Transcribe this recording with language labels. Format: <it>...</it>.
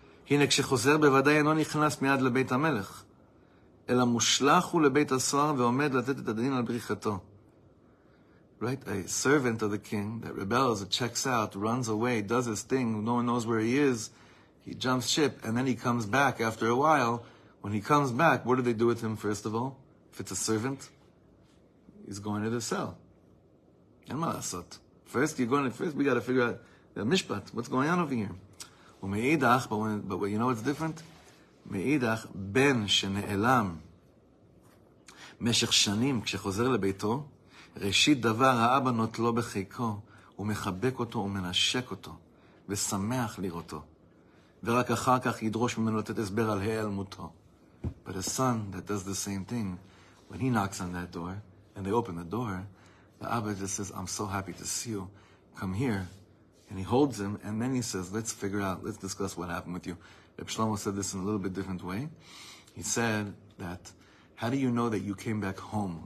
<he>הנה כשחוזר בוודאי אינו נכנס מיד לבית המלך, אלא מושלח הוא לבית הסוהר ועומד לתת את הדין על בריחתו.</he> <en>Right? A servant of the king that rebels, that checks out, runs away, does his thing, no one knows where he is, he jumps ship, and then he comes back after a while. When he comes back, what do they do with him first of all? If it's a servant, he's going to the cell.</en> <he>אין מה לעשות.</he> <en>First we got to figure out the mishpat, what's going on over here?</en> <he>ומעידך,</he> <en>but you know what's different?</en> <he>מעידך, בן שנעלם משך שנים כשחוזר לביתו, ראשית דבר האבא נוטלו בחיקו, ומחבק אותו ומנשק אותו, ושמח לראותו. ורק אחר כך ידרוש ממנו לתת הסבר על היעלמותו.</he> <en>But a son that does the same thing, when he knocks on that door, and they open the door, the Abba just says, I'm so happy to see you. Come here. And he holds him, and then he says, let's figure out, let's discuss what happened with you. Reb Shlomo said this in a little bit different way. He said that, how do you know that you came back home?</en>